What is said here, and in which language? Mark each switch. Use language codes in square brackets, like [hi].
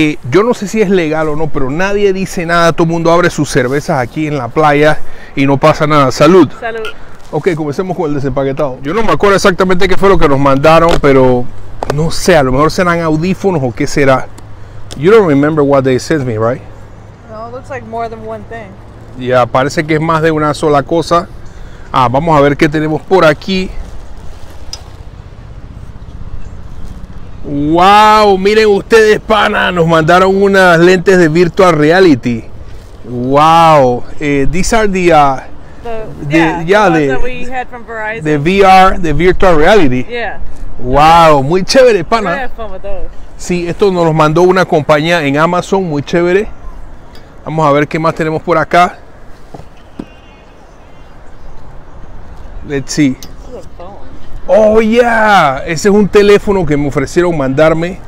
[es] Yo no sé si es legal o no, pero nadie dice nada. Todo el mundo abre sus cervezas aquí en la playa y no pasa nada. Salud. Salud. Ok, comencemos con el desempaquetado. Yo no me acuerdo exactamente qué fue lo que nos mandaron, pero no sé, a lo mejor serán audífonos o qué será. [en] You don't remember what they sent me, right? No, it looks like more than one thing. [es] Ya, parece que es más de una sola cosa. Ah, vamos a ver qué tenemos por aquí. Wow, miren ustedes, pana, nos mandaron unas lentes de virtual reality. [en] Wow, these are the VR, the virtual reality. Yeah. [es] Wow, muy chévere, pana. [en] We had fun with those. [es] Sí, esto nos los mandó una compañía en Amazon, muy chévere. Vamos a ver qué más tenemos por acá. [en] Let's see. Oh, yeah. [es] Ese es un teléfono que me ofrecieron mandarme.